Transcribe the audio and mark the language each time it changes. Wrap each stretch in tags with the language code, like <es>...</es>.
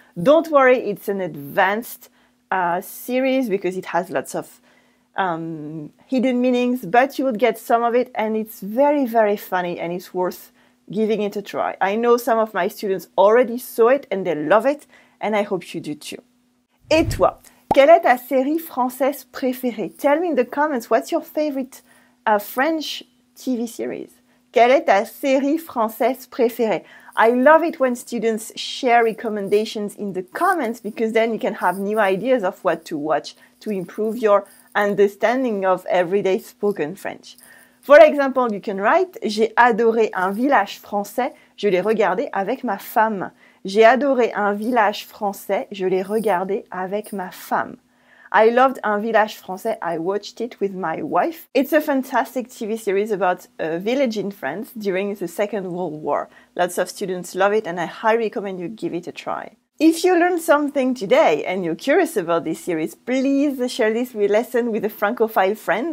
<en>Don't worry, it's an advanced series because it has lots of hidden meanings, but you would get some of it, and it's very, very funny, and it's worth giving it a try. I know some of my students already saw it and they love it, and I hope you do too.</en> <fr>Et toi, quelle est ta série française préférée?</fr> <en>Tell me in the comments, what's your favorite French TV series?</en> <fr>Quelle est ta série française préférée?</fr> <en>I love it when students share recommendations in the comments because then you can have new ideas of what to watch to improve your understanding of everyday spoken French. For example, you can write,</en> <fr>j'ai adoré un village français, je l'ai regardé avec ma femme. J'ai adoré un village français, je l'ai regardé avec ma femme.</fr> <en>I loved un village français, I watched it with my wife. It's a fantastic TV series about a village in France during the Second World War. Lots of students love it and I highly recommend you give it a try. If you learned something today and you're curious about this series, please share this lesson with a Francophile friend.</en>